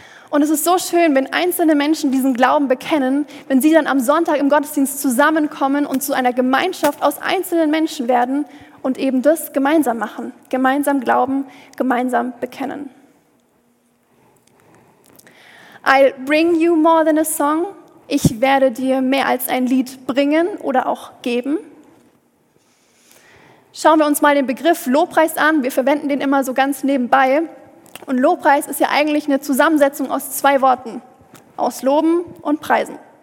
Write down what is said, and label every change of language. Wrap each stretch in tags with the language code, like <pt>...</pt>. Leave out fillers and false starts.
<de>Und es ist so schön, wenn einzelne Menschen diesen Glauben bekennen, wenn sie dann am Sonntag im Gottesdienst zusammenkommen und zu einer Gemeinschaft aus einzelnen Menschen werden und eben das gemeinsam machen. Gemeinsam glauben, gemeinsam bekennen.</de> <en>I'll bring you more than a song.</en> <de>Ich werde dir mehr als ein Lied bringen oder auch geben. Schauen wir uns mal den Begriff Lobpreis an. Wir verwenden den immer so ganz nebenbei. Und Lobpreis ist ja eigentlich eine Zusammensetzung aus zwei Worten. Aus Loben und Preisen.</de>